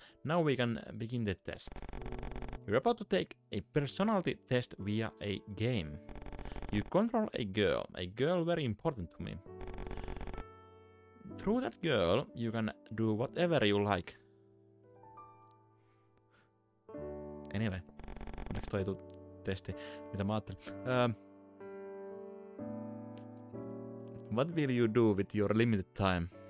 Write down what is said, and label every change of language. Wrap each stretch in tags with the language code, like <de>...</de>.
<en>Now we can begin the test. You're about to take a personality test via a game. You control a girl very important to me. Through that girl, you can do whatever you like.</en> <fi>Anyway, onneksi toi ei tuu testi, mitä mä ajattelin.</fi> <en>What will you do with your limited time?</en>